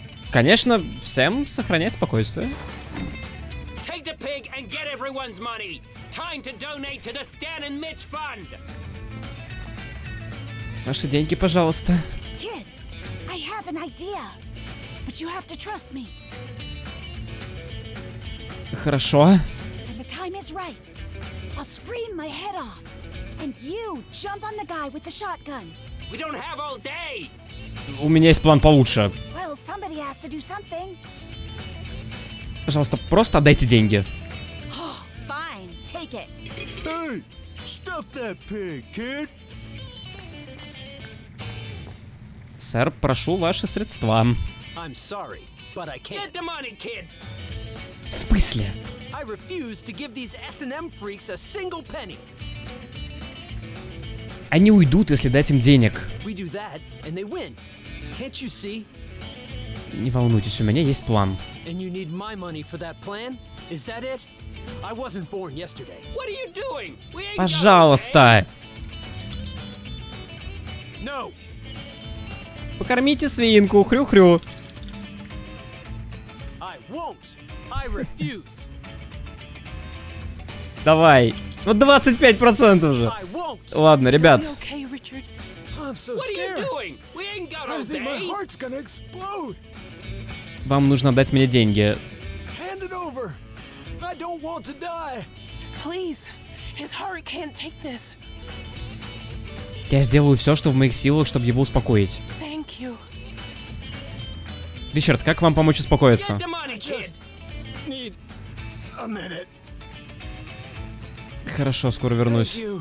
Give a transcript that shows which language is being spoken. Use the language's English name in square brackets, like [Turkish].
[Russian] Конечно, всем сохранять спокойствие. [English] Take the pig and get everyone's money. Time to donate to the Stan and Mitch fund. [Russian] Ваши деньги, пожалуйста. [English] Kid, I have an idea, but you have to trust me. [Russian] Хорошо. [English] When the time is right, I'll scream my head off, and you jump on the guy with the shotgun. We don't have all day. [Russian] У меня есть план получше. [English] Well, somebody has to do something. [Russian] Пожалуйста, просто отдайте деньги. [English] Oh, fine, take it. Hey, stuff that pig, kid. [Russian] Сэр, прошу ваши средства. [English] I'm sorry, but I can't. Get the money, kid. [Russian] В смысле? [English] I refuse to give these S&M freaks a single penny. [Russian] Они уйдут, если дать им денег. [English] We do that, and they win. Can't you see? [Russian] Не волнуйтесь, у меня есть план. [English] And you need my money for that plan? Is that it? I wasn't born yesterday. What are you doing? We ain't [Russian] Пожалуйста. [English] No. [Russian] Покормите свинку, хрю-хрю. [English] I won't. I refuse. [Russian] Давай. Вот 25% уже. [English] I won't. [Russian] Ладно, ребят. [English] Okay, Richard? I'm so scared. What are you doing? We ain't got all day. My heart's gonna explode. [Russian] Вам нужно дать мне деньги. [English] Hand it over. I don't want to die. Please. His heart can't take this. [Russian] Я сделаю все, что в моих силах, чтобы его успокоить. [English] Thank you. [Russian] Ричард, как вам помочь успокоиться? Хорошо, скоро вернусь.